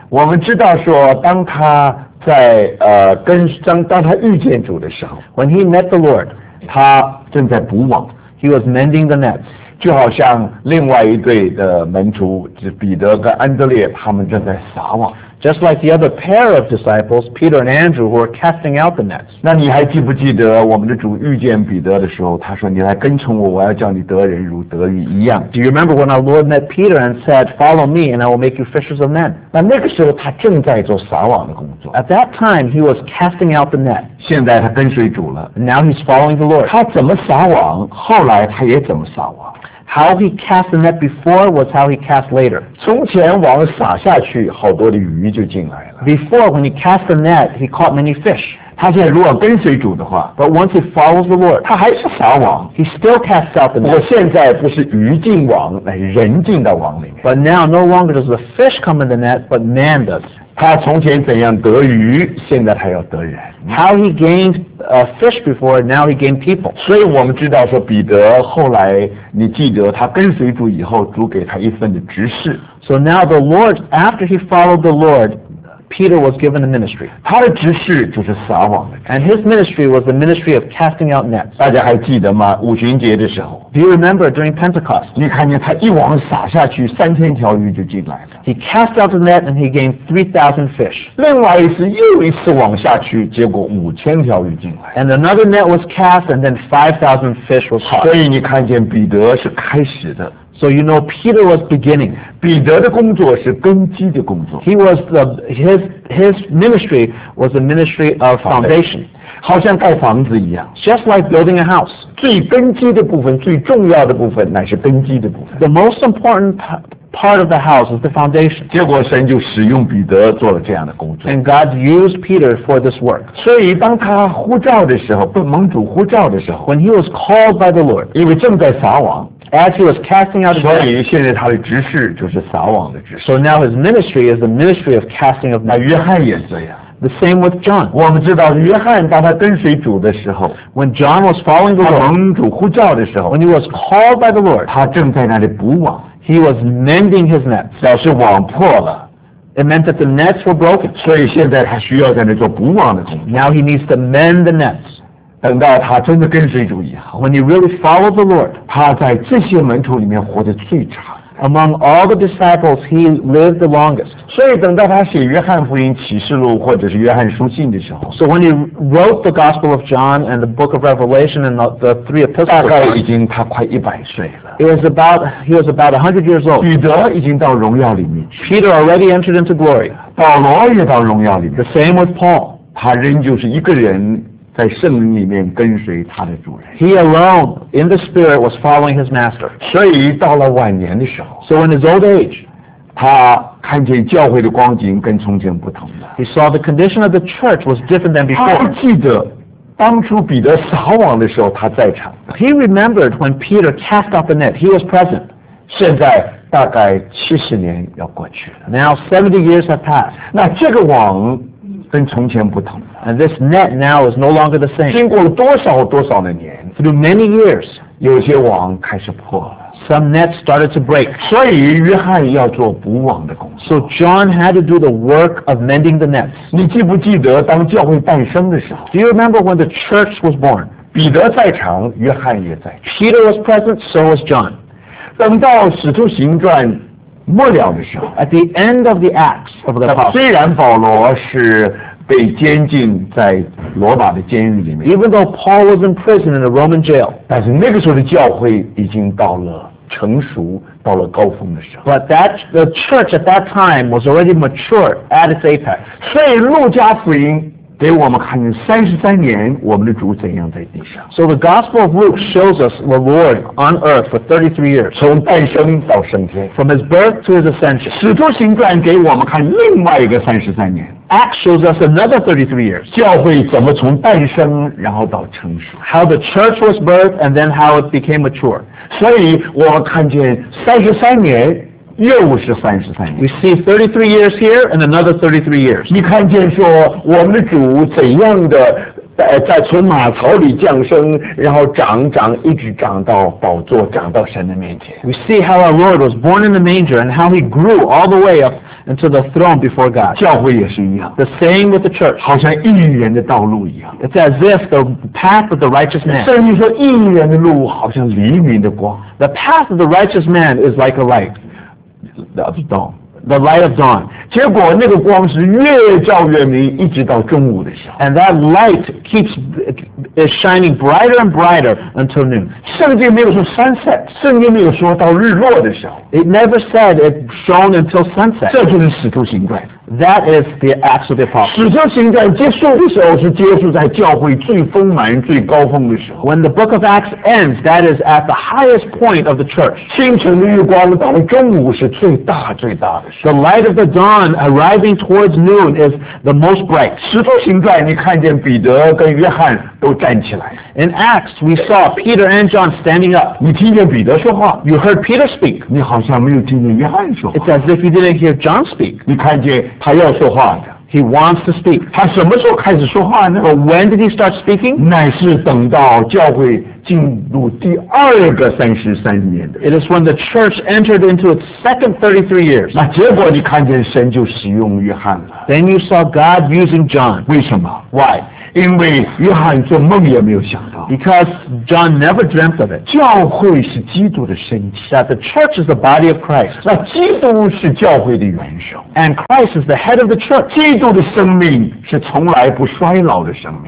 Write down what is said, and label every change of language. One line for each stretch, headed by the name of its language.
Chinese: 我们知道说，当他在当他遇见主的时候
English: ，When he met the Lord,
Chinese: 他正在补网。
English: He was mending the nets.
Chinese: 就好像另外一对的门徒，就彼得跟安德烈，他们正在撒网。
English: Just like the other pair of disciples, Peter and Andrew, who were casting out the nets.
Chinese: 那你还记不记得我们的主遇见彼得的时候，他说你来跟从我，我要叫你得人如得鱼一样。
English: Do you remember when our Lord met Peter and said, follow me and I will make you fishers of men?
Chinese: 那那个时候他正在做撒网的工作。
English: At that time, he was casting out the net.
Chinese: 现在他跟随主了。
English: Now he's following the Lord.
Chinese: 他怎么撒网，后来他也怎么撒网。
English: How he cast the net before was how he cast later.
Chinese: 从前网撒下去，好多的鱼就进来了。
English: Before, when he cast the net, he caught many fish.
Chinese: 他现在如果跟随主的话
English: ，But once he follows the Lord,
Chinese: 他还是撒网。
English: He still casts out the net.
Chinese: 我现在不是鱼进网，乃人进到网里面。
English: But now, no longer does the fish come in the net, but man does.
Chinese: 他从前怎样得鱼，现在他要得人。
English: How he gained fish before, now he gained people.
Chinese: 所以我们知道说彼得后来，你记得他跟随主以后，主给他一份的职事。
English: So now the Lord, after he followed the Lord, Peter was given a ministry.
Chinese: 他的职事就是撒网的。
English: And his ministry was the ministry of casting out nets.
Chinese: 大家还记得吗？五旬节的时候。
English: Do you remember during Pentecost?
Chinese: 你看见他一网撒下去，三千条鱼就进来了。
English: He cast out the net and he gained 3,000 fish.
Chinese: 另外一次又一次网下去，结果五千条鱼进来。
English: And another net was cast and then 5,000 fish was caught.
Chinese: 所以你看见彼得是开始的。
English: So you know Peter was beginning.
Chinese: 彼得的工作是根基的工作。
English: He was the, his ministry was the ministry of foundation.
Chinese: 好像盖房子一样。
English: Just like building a house.
Chinese: 最根基的部分，最重要的部分乃是根基的部分。
English: The most important part of the house is the foundation.
Chinese: 结果神就使用彼得做了这样的工作。
English: And God used Peter for this work.
Chinese: 所以当他呼召的时候，被蒙主呼召的时候
English: ，When he was called by the Lord.
Chinese: 因为正在撒网。
English: As he was casting out the net,
Chinese: 所以现在他的职事就是撒网的职事。
English: So now his ministry is the ministry of casting of nets.
Chinese: 约翰也这样。
English: The same with John.
Chinese: 我们知道约翰当他跟随主的时候
English: ，When John was following the Lord,
Chinese: 他蒙主呼召的时候
English: ，When he was called by the Lord,
Chinese: 他正在那里补网。
English: He was mending his nets.
Chinese: 表示网破了。
English: It meant that the nets were broken.
Chinese: 所以现在他需要在那做补网的工作。
English: Now he needs to mend the nets.
Chinese: 等到他真的跟随主以后
English: ，When you really follow the Lord，
Chinese: 他在这些门徒里面活得最长。
English: Among all the disciples, he lived the longest。
Chinese: 所以等到他写约翰福音、启示录或者是约翰书信的时候
English: ，So when he wrote the Gospel of John and the Book of Revelation and the three epistles，
Chinese: 大概已经他快一百岁了。
English: He was about 100 years old。
Chinese: 彼得已经到荣耀里面去。
English: Peter already entered into glory。
Chinese: 保罗也到荣耀里面。
English: The same with Paul。
Chinese: 他仍旧是一个人。在圣灵里面跟随他的主人。
English: He alone in the spirit was following his master.
Chinese: 所以到了晚年的时候
English: ，So in his old age，
Chinese: 他看见教会的光景跟从前不同了。
English: He saw the condition of the church was different than before.
Chinese: 他还记得当初彼得撒网的时候他在场。
English: He remembered when Peter cast out the net. He was present.
Chinese: 现在大概七十年要过去了。
English: Now 70 years have passed.
Chinese: 那这个网跟从前不同了。
English: And this net now is no longer the same.
Chinese: 经过了多少多少的年
English: ，through many years，
Chinese: 有些网开始破了。
English: Some nets started to break.
Chinese: 所以约翰要做补网的工作。
English: So John had to do the work of mending the nets.
Chinese: 你记不记得当教会诞生的时候
English: ？Do you remember when the church was born？
Chinese: 彼得在场，约翰也在场。
English: Peter was present, so was John.
Chinese: 等到使徒行传末了的时候
English: ，At the end of the Acts of the Apostles，
Chinese: 虽然保罗是被监禁在罗马的监狱里面
English: ，Even though Paul was in prison in the Roman jail，
Chinese: 但是那个时候的教会已经到了成熟，到了高峰的时候。
English: But that the church at that time was already mature at its apex。
Chinese: 所以路加福音给我们看见33年我们的主怎样在地上。
English: So the Gospel of Luke shows us the Lord on earth for 33 years，
Chinese: 从诞生到升天
English: ，from his birth to his ascension。
Chinese: 使徒行传给我们看另外一个33年。
English: Acts shows us another 33 years.
Chinese: 教会怎么从诞生然后到成熟
English: ？How the church was birthed and then how it became mature.
Chinese: 所以我看见33年又是33年。
English: We see 33 years here and another 33 years.
Chinese: 你看见说我们的主怎样的在从马槽里降生，然后长，一直长到宝座，长到神的面前。
English: We see how our Lord was born in the manger and how he grew all the way up. And to the throne before God.
Chinese: 教会也是一样。
English: The same with the church.
Chinese: 好像义人的道路一样。
English: It's as if the path of the righteous man.
Chinese: 圣经说义人的路好像黎明的光。
English: The path of the righteous man is like a light. Of dawn. The light of dawn.
Chinese: 结果那个光是越照越明，一直到中午的时候。
English: And that light keeps is shining brighter and brighter until noon.
Chinese: 圣经没有说 sunset. 圣经没有说到日落的时候。
English: It never said it shone until sunset.
Chinese: 这就是使徒行传。
English: That is the Acts of the Apostles.
Chinese: 使徒行传结束的时候是结束在教会最丰满最高峰的时候。
English: When the book of Acts ends, that is at the highest point of the church.
Chinese: 清晨的日光到了中午是最大最大的时候。
English: The light of the dawn arriving towards noon is the most bright.
Chinese: 使徒行传你看见彼得跟约翰都站起来。
English: In Acts, we saw Peter and John standing up.
Chinese: 你听见彼得说话。
English: You heard Peter speak.
Chinese: 你好像没有听见约翰说话。
English: It's as if you didn't hear John speak.
Chinese: 你看见他要说话的。
English: He wants to speak.
Chinese: 他什么时候开始说话呢
English: ？When did he start speaking?
Chinese: 乃是等到教会进入第二个33年的。
English: It is when the church entered into its second 33 years.
Chinese: 那结果你看见神就使用约翰了。
English: Then you saw God using John.
Chinese: 为什么
English: ？Why?
Chinese: 因为约翰做梦也没有想到
English: ，because John never dreamt of it。
Chinese: 教会是基督的身体
English: ，that the church is the body of Christ。
Chinese: 那基督是教会的元首
English: ，and Christ is the head of the church。
Chinese: 基督的生命是从来不衰老的生命